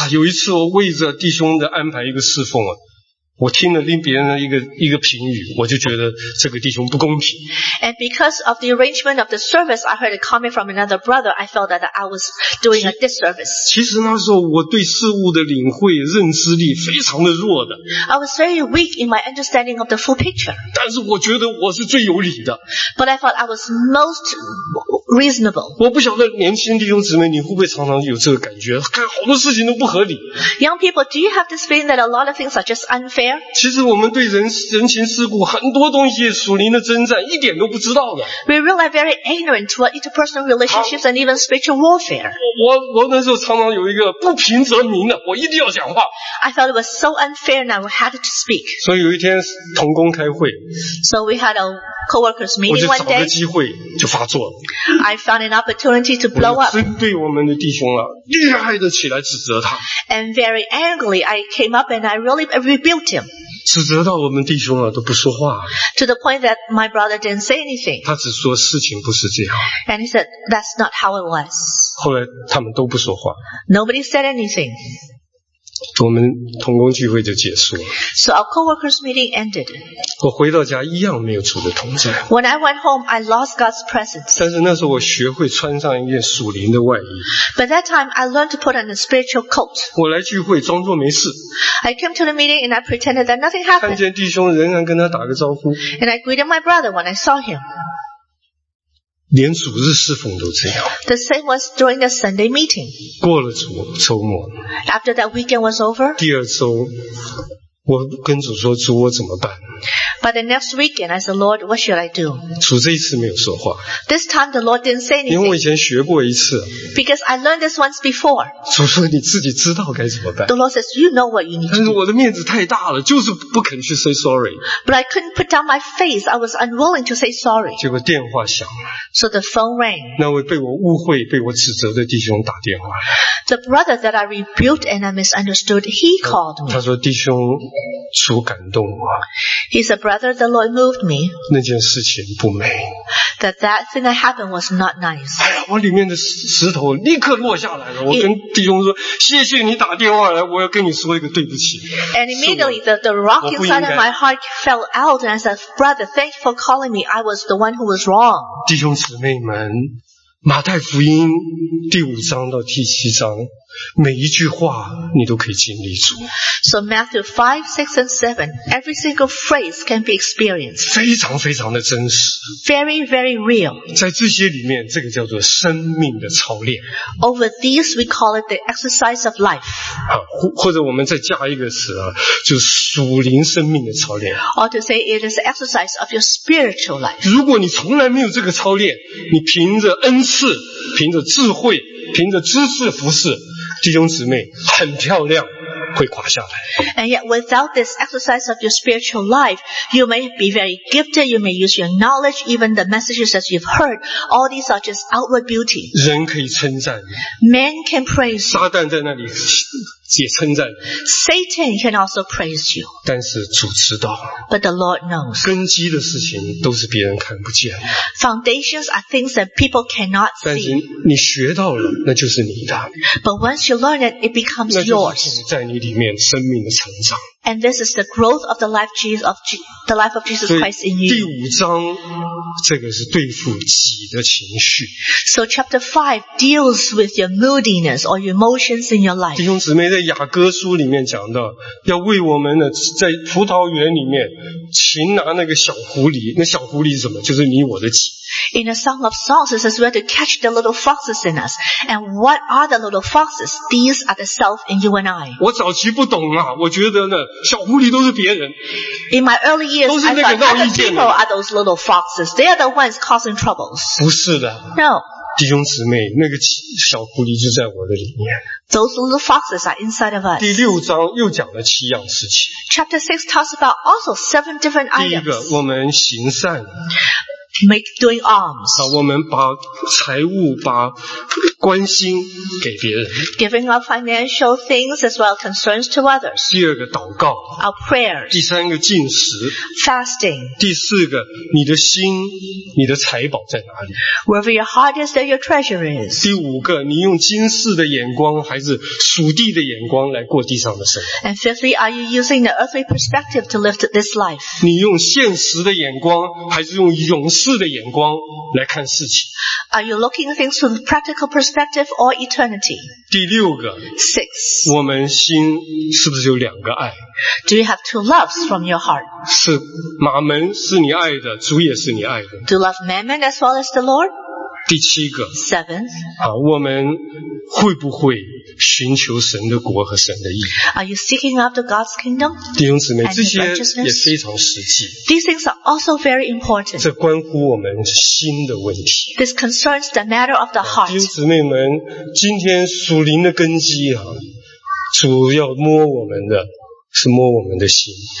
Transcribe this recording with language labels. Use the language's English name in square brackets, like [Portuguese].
[Chinese] 啊、有一次我为着弟兄的安排一个侍奉、啊、我听了另别人的一个评语，我就觉得这个弟兄不公平。 [English] And because of the arrangement of the service, I heard a comment from another brother. I felt that I was doing a disservice. [Chinese] 其实那时候我对事物的领会认知力非常的弱的。 [English] I was very weak in my understanding of the full picture. [Chinese] 但是我觉得我是最有理的。 [English] But I thought I was most reasonable. [Chinese] 我不晓得年轻弟兄姊妹，你会不会常常有这个感觉？看好多事情都不合理。 [English] Young people, do you have this feeling that a lot of things are just unfair? [Chinese] 其实我们对人情世故很多东西属灵的征战一点都不知道的。 [English] We really are very ignorant to interpersonal relationships and even spiritual warfare. [Chinese] 我那时候常常有一个不平则鸣的，我一定要讲话。 [English] I thought it was so unfair and I had to speak. [Chinese] 所以有一天同工开会。 [English] So we had a co-workers meeting one day. [Chinese] 我就找个机会就发作了。 [English] I found an opportunity to blow up. [Chinese] 针对我们的弟兄啊，厉害的起来指责他。 [English] And very angrily, I came up and I really rebuked him. [Chinese] 指责到我们弟兄啊都不说话。 [English] To the point that my brother didn't say anything. [Chinese] 他只说事情不是这样。 [English] And he said that's not how it was. [Chinese] 后来他们都不说话。 [English] Nobody said anything. [Chinese] 我们同工聚会就结束了。 [English] So our co-workers meeting ended. [Chinese] 我回到家一样没有主的同在。 [English] When I went home, I lost God's presence. [Chinese] 但是那时候我学会穿上一件属灵的外衣。 [English] But that time, I learned to put on a spiritual coat. [Chinese] 我来聚会装作没事。 [English] I came to the meeting and I pretended that nothing happened. [Chinese] 看见弟兄仍然跟他打个招呼。 [English] And I greeted my brother when I saw him. [Chinese] 连主日侍奉都这样。 [English] The same was during the Sunday meeting. [Chinese] 过了主周末。 [English] After that weekend was over. [Chinese] 第二周我跟主说，主我怎么办？ [English] But the next weekend, I said, Lord, what should I do? [Chinese] 主这一次没有说话。 [English] This time the Lord didn't say anything. [Chinese] 因为我以前学过一次。 [English] Because I learned this once before. [Chinese] 主说你自己知道该怎么办。 [English] The Lord says, you know what you need to do. [Chinese] 但是我的面子太大了，就是不肯去 [English] say sorry. But I couldn't put down my face. I was unwilling to say sorry. [Chinese] 结果电话响。 [English] So the phone rang. [Chinese] 那位被我误会、被我指责的弟兄打电话。 [English] The brother that I rebuked and I misunderstood, he called me. [Chinese] 他说弟兄，主感动我。 [English] He said, brother, the Lord moved me. [Chinese] 那件事情不美。 [English] That thing that happened was not nice. [Chinese] 哎呀，我里面的石头立刻落下来了。我跟弟兄说，谢谢你打电话来，我要跟你说一个对不起。 [English] And immediately the rock inside of my heart fell out and I said, brother, thank you for calling me. I was the one who was wrong. [Chinese] 弟兄姊妹们，马太福音第五章到第七章每一句话你都可以经历主。 [English] So Matthew 5, 6 and 7, every single phrase can be experienced. [Chinese] 非常非常的真实。 [English] Very, very real. [Chinese] 在这些里面，这个叫做生命的操练。 [English] Over these, we call it the exercise of life. [Chinese] 好，或者我们再加一个词啊，就是属灵生命的操练。 [English] Or to say it is the exercise of your spiritual life. [Chinese] 如果你从来没有这个操练，你凭着恩赐，凭着智慧，凭着知识服侍，弟兄姊妹，很漂亮，会垮下来。 [English] And yet, without this exercise of your spiritual life, you may be very gifted, you may use your knowledge, even the messages that you've heard, all these are just outward beauty. [Chinese] 人可以称赞。 [English] Man can praise. [Chinese] 撒旦在那里也称赞。 [English] Satan can also praise you. [Chinese] 但是主知道。 [English] But the Lord knows. [Chinese] 根基的事情都是别人看不见。 [English] Foundations are things that people cannot see. [Chinese] 但是你学到了，那就是你的。 [English] But once you learn it, it becomes yours. [Chinese] 那就是在你里面生命的成长。 [English] And this is the growth of the life of Jesus Christ in you. [Chinese] 第五章，这个是对付己的情绪。 [English] So chapter 5 deals with your moodiness or your emotions in your life. [Chinese] 弟兄姊妹，在雅各书里面讲到，要为我们的在葡萄园里面擒拿那个小狐狸，那小狐狸是什么？就是你我的己。 [English] In the Song of Songs, it says we have to catch the little foxes in us. And what are the little foxes? These are the self in you and I. [Chinese] 我早期不懂啊，我觉得呢，小狐狸都是别人。 [English] In my early years, I thought other people are those little foxes. They are the ones causing troubles. [Chinese] 不是的。 [English] No. [Chinese] 弟兄姊妹，那个小狐狸就在我的里面。 [English] Those little foxes are inside of us. [Chinese] 第六章又讲了七样事情。 [English] Chapter 6 talks about also 7 different items. [Chinese] 第一个，我们行善。 [English] Make doing alms. [Chinese] 我们把财物、把关心给别人。 [English] Giving our financial things as well concerns to others. [Chinese] 第二个祷告。 [English] Our prayers. [Chinese] 第三个禁食。 [English] Fasting. [Chinese] 第四个你的心、你的财宝在哪里。 [English] Wherever your heart is, there your treasure is. [Chinese] 第五个你用今世的眼光还是属地的眼光来过地上的生活。 [English] And fifthly, are you using the earthly perspective to live this life? [Chinese] 你用现实的眼光还是用永世的眼光来看事情。 [English] Are you looking at things from the practical perspective or eternity? [Chinese] 第六个 [English] Six. [Chinese] 我们心是不是有两个爱？ [English] Do you have two loves from your heart? [Chinese] 是马门是你爱的，主也是你爱的。 [English] Do you love Mammon as well as the Lord? [Chinese] 第七个 [English] Seventh. [Chinese] 我们会不会寻求神的国和神的义？ [English] Are you seeking after God's kingdom? [Chinese] 弟兄姊妹，这些也非常实际。 [English] These things are also very important. [Chinese] 这关乎我们心的问题。 [English] This concerns the matter of the heart. [Chinese] 弟兄姊妹们，今天属灵的根基啊，主要摸我们的是摸我们的心。